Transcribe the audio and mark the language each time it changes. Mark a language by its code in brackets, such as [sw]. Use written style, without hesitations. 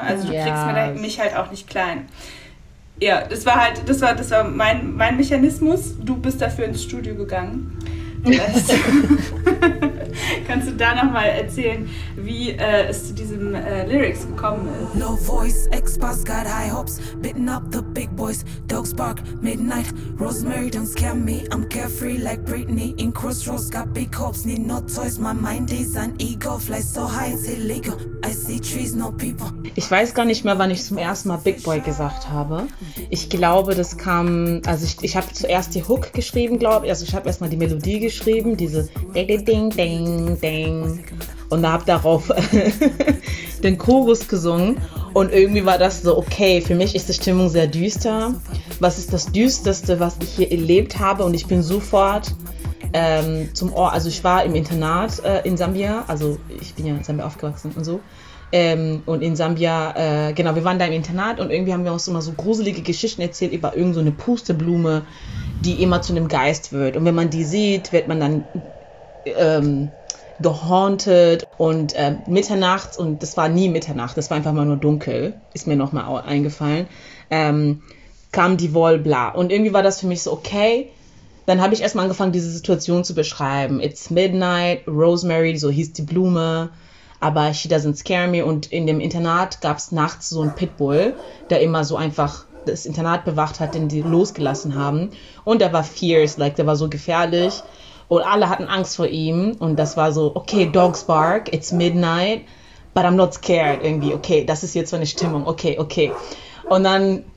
[de] Also du kriegst mich halt auch nicht klein. Ja, das war mein Mechanismus. Du bist dafür ins Studio gegangen. Kannst du da nochmal erzählen, wie es zu diesem Lyrics gekommen ist? [en] No voice, ex-boss got high hopes, bitten up the big boys, dogs bark, midnight, Rosemary don't scare me, I'm carefree like Britney, in crossroads got big hopes, need no toys, my mind is an ego, fly so high, it's illegal, I see trees, no people. [de] Ich weiß gar nicht mehr, wann ich zum ersten Mal Big Boy gesagt habe. Ich glaube, das kam, also ich habe zuerst die Hook geschrieben, glaube ich, also ich habe erstmal die Melodie geschrieben, diese ding ding ding und habe darauf den Chorus gesungen und irgendwie war das so, okay, für mich ist die Stimmung sehr düster, was ist das Düsterste, was ich hier erlebt habe und ich bin sofort zum Ort, also ich war im Internat in Sambia, also ich bin ja in Sambia aufgewachsen und so und in Sambia, genau, wir waren da im Internat und irgendwie haben wir uns immer so gruselige Geschichten erzählt über irgend so eine Pusteblume, die immer zu einem Geist wird. Und wenn man die sieht, wird man dann gehaunted. Und mitternachts, und das war nie Mitternacht, das war einfach mal nur dunkel, ist mir nochmal eingefallen, kam die Wall, bla. Und irgendwie war das für mich so, okay. Dann habe ich erstmal angefangen, diese Situation zu beschreiben. [en] It's midnight, Rosemary, [de] so hieß die Blume, aber [en] she doesn't scare me. [de] Und in dem Internat gab es nachts so einen Pitbull, der immer so einfach das Internat bewacht hat, den die losgelassen haben. Und der war fierce, like, der war so gefährlich. Und alle hatten Angst vor ihm. Und das war so, okay, [en] dogs bark, it's midnight, but I'm not scared, [de] irgendwie. Okay, das ist jetzt meine Stimmung, okay, okay. Und dann